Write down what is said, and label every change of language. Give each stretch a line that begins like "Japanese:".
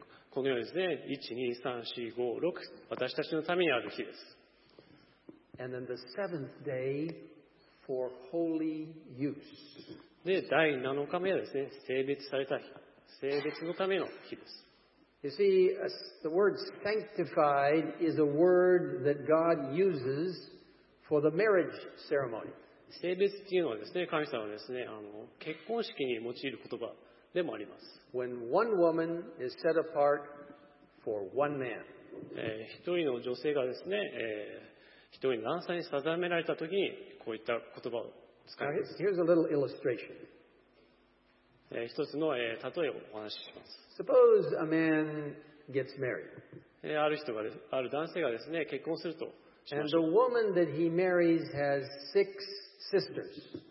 Japanese: このようにですね、1、2、3、4、5、6、私たちのためにある日です。
English: And then the seventh day for holy use.
Japanese: で、第7日目はですね、聖別された日、聖別のための日です。
English: You see, the word sanctified is a word that God uses for the marriage ceremony.
Japanese: 聖別っていうのはですね、神様はですね、結婚式に用いる言葉。でもあります。
English: When one woman is set apart for one man,
Japanese: 一人の女性がですね、一人の男性に定められた時にこういった言葉を使います。
English: Now, here's a little illustration.
Japanese: 一つの例えをお話しします。
English: Suppose a man gets married.
Japanese: ある男性がですね、結婚するとしまし
English: ょう。 And the woman that he marries has six sisters.